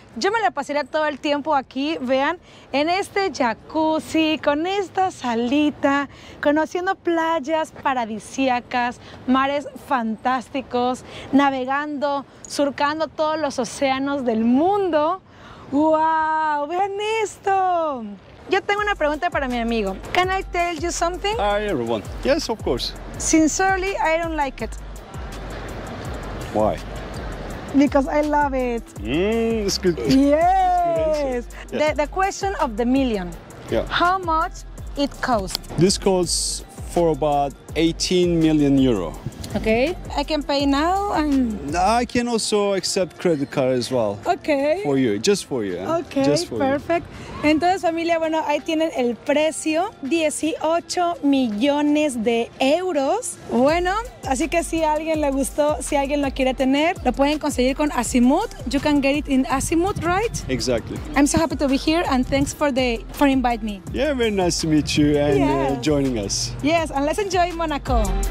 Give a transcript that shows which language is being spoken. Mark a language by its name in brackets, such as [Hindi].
[Spanish] Yo me la pasaría todo el tiempo aquí, vean, en este jacuzzi, con esta salita, conociendo playas paradisíacas, mares fantásticos, navegando, surcando todos los océanos del mundo. ¡Wow! ¡Vean esto! Yo tengo una pregunta para mi amigo. [English] Can I tell you something? Hi everyone. Yes, of course. Sincerely, I don't like it. Why? Because I love it. It's good. Yes. Good, yeah. The question of the million. Yeah. How much it costs? This costs for about 18 million euro. Okay. I can pay now and... I can also accept credit card as well. Okay. For you, just for you. Okay, just for perfect. You. [Spanish] Entonces, familia, bueno, ahí tienen el precio. 18 millones de euros. Bueno, así que si a alguien le gustó, si alguien lo quiere tener, lo pueden conseguir con Azimut. [English] You can get it in Azimut, right? Exactly. I'm so happy to be here and thanks for inviting me. Yeah, very nice to meet you and joining us. Yes, and let's enjoy Monaco.